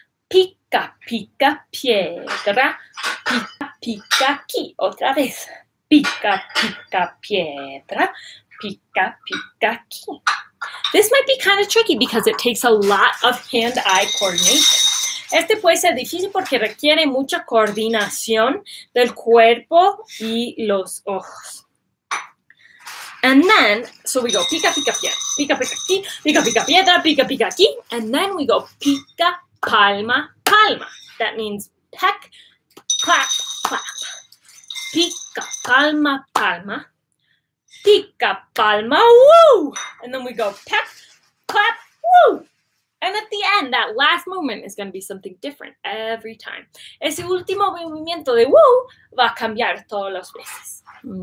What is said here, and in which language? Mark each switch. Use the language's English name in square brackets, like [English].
[Spanish] Pica, pica, piedra, pica, pica, aquí. Otra vez. Pica, pica, piedra, pica, pica, aquí. [English] This might be kind of tricky because it takes a lot of hand-eye coordination. [Spanish] Este puede ser difícil porque requiere mucha coordinación del cuerpo y los ojos. [English] And then, so we go [Spanish] pica, pica, piedra, pica, pica, aquí, pica, pica, piedra, pica, pica, aquí. [English] And then we go [Spanish] pica, palma, palma. [English] That means peck, clap, clap. [Spanish] Pica, palma, palma. Pica, palma, woo! [English] And then we go peck, clap, woo! And at the end, that last movement is going to be something different every time. [Spanish] Ese último movimiento de woo va a cambiar todos los veces.